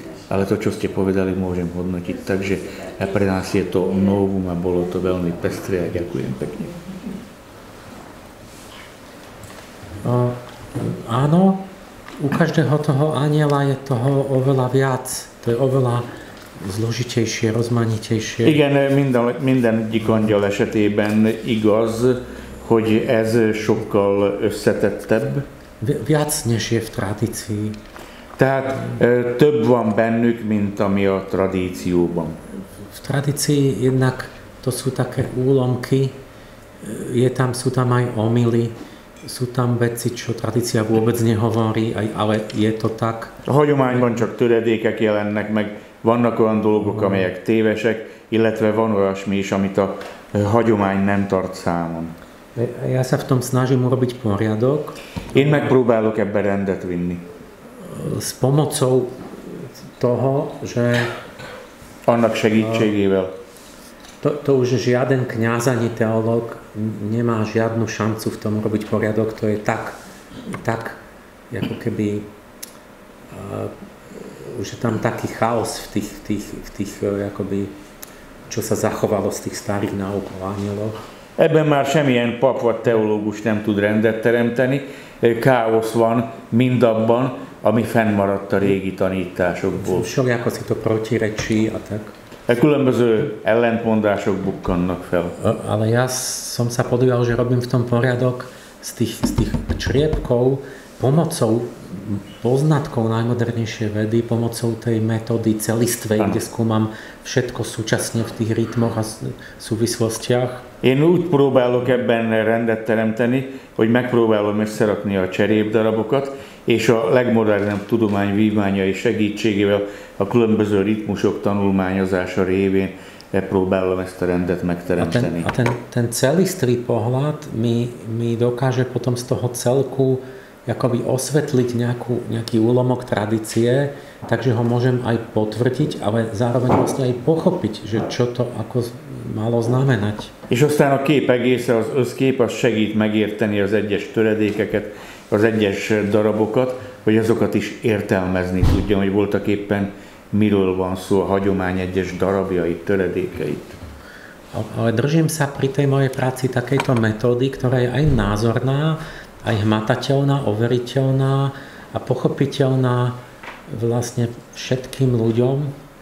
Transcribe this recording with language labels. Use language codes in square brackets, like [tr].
[sk] Ale to, čo ste povedali, môžem hodnotiť. Takže pre nás je to novum a bolo to veľmi pestré a ďakujem pekne. Áno, u každého toho aniela je toho oveľa viac. To je oveľa zložitejšie, rozmanitejšie. [hu] Igen, minden gyongyal esetében igaz, hogy ez sokkal összetettebb. [sk] Viac než je v tradícii. [hu] Tehát több van bennük, mint ami a tradícióban. [sk] V tradícii jednak to sú také úlomky, sú tam aj omily, sú tam veci, čo tradícia vôbec nehovorí, ale je to tak. [hu] A hagyományban csak töredékek jelennek meg, vannak olyan dolgok, amelyek tévesek, illetve van olyasmi is, amit a hagyomány nem tart számon. [sk] Ja sa v tom snažím urobiť poriadok. [hu] Én megpróbálok ebbe rendet vinni. [sk] S pomocou toho, že... [hu] Annak segítségével. [sk] To už žiaden kňaz ani teológ nemá žiadnu šancu v tom urobiť poriadok. To je tak ako keby... už je tam taký chaos v tých akoby, čo sa zachovalo z tých starých náuk o anieloch. [hu] Ebben már semmilyen pap vagy teológus nem tud rendet teremteni. Káosz van mindabban, ami fennmaradt a régi tanításokból. Sok jákozik a protirecsi, a tak. Különböző ellentmondások bukkannak fel. [sk] Ale ja som sa podíval, že robím v tom poriadok z tých čriepkov pomocou poznatkov najmodernejšej vedy, pomocou tej metódy celistvej, kde skúmam všetko súčasne v tých rytmoch a súvislostiach. [hu] Én úgy próbálok ebben rendet teremteni, hogy megpróbálom összerakni a cserépdarabokat, és a legmodernebb tudomány vívmányai segítségével a különböző ritmusok tanulmányozása révén próbálom ezt a rendet megteremteni. [sk] A ten celistvý pohľad mi dokáže potom z toho celku akoby osvetliť nejaký úlomok tradície, takže ho môžem aj potvrdiť, ale zároveň vlastne aj pochopiť, že čo to ako malo znamenať. [hu] És aztán a kép egész, az összkép, az segít megérteni az egyes töredékeket, az egyes darabokat, hogy azokat is értelmezni tudjam, hogy voltak éppen miről van szó a hagyomány egyes darabjait, töredékeit. [sk] Ale držím sa pri tej mojej práci takejto metódy, ktorá je aj názorná, aj hmatateľná, overiteľná a pochopiteľná vlastne všetkým ľuďom.